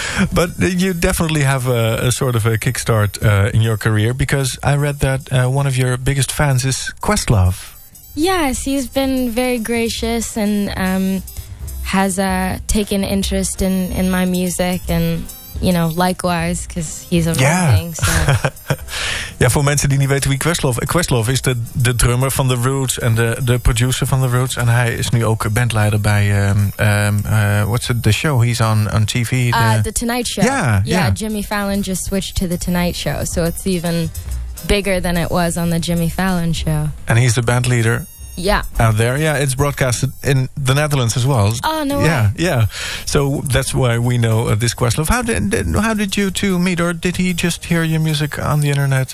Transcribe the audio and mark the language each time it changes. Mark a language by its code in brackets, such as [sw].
[en] But you definitely have a sort of a kickstart in your career, because I read that one of your biggest fans is Questlove. Yes, he's been very gracious and has taken interest in my music, and you know, likewise, because he's amazing. Yeah. So. [nl] Yeah, for mensen die niet weten wie Questlove is, de drummer van The Roots en de producer van The Roots, en hij is nu ook bandleider bij [en] what's it, the show he's on TV? The Tonight Show. Yeah. Jimmy Fallon just switched to The Tonight Show, so it's even bigger than it was on The Jimmy Fallon Show. And he's the band leader. Yeah. Out there, yeah. It's broadcasted in the Netherlands as well. Oh, no way. Yeah, yeah. So that's why we know this Questlove. How did you two meet, or did he just hear your music on the internet?